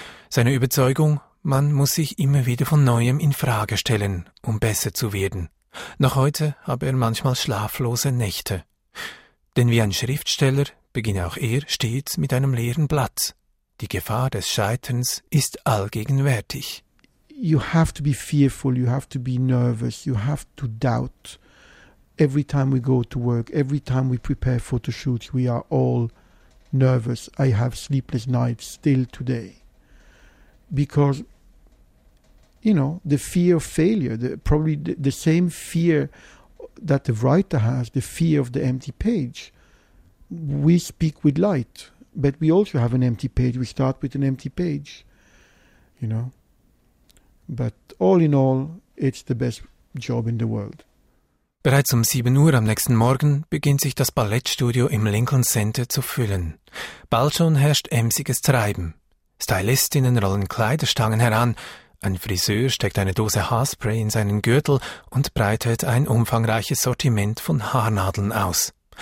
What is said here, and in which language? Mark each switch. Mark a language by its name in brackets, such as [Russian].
[German] Seine Überzeugung, man muss sich immer wieder von Neuem in Frage stellen, um besser zu werden. Noch heute habe er manchmal schlaflose Nächte. Denn wie ein Schriftsteller beginne auch er stets mit einem leeren Blatt. Die Gefahr des Scheiterns ist allgegenwärtig. [English] You have to be fearful, you have to be nervous, you have to doubt. Every time we go to work, every time we prepare photoshoots, we are all nervous. I have sleepless nights still today. Because, you know, the fear of failure, probably the same fear that the writer has, the fear of the empty page. We speak with light, but we also have an empty page. We start with an empty page, you know. But all in all, it's the best job in the world. [German] Bereits um 7 Uhr am nächsten Morgen beginnt sich das Ballettstudio im Lincoln Center zu füllen. Bald schon herrscht emsiges Treiben. Stylistinnen rollen Kleiderstangen heran, ein Friseur steckt eine Dose Haarspray in seinen Gürtel und breitet ein umfangreiches Sortiment von Haarnadeln aus.